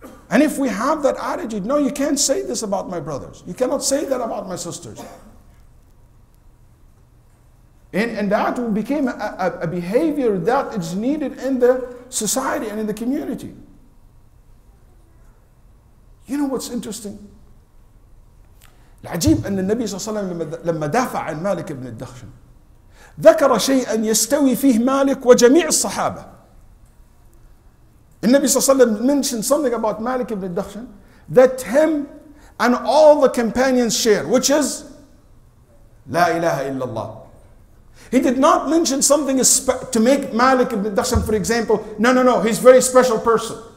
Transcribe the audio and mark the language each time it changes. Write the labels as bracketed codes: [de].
[en] And if we have that attitude, no, you can't say this about my brothers. You cannot say that about my sisters. And that became a behavior that is needed in the society and in the community. You know what's interesting? [ar] العجيب أن النبي صلى الله عليه وسلم لما دافع عن مالك بن الدخشن ذكر شيئا يستوي فيه مالك وجميع الصحابة. النبي صلى الله عليه وسلم [en] mentioned something about مالك بن الدخشن that him and all the companions share, which is [ar] لا إله إلا الله. [en] He did not mention something to make Malik ibn Dakhshan, for example, no, he's a very special person.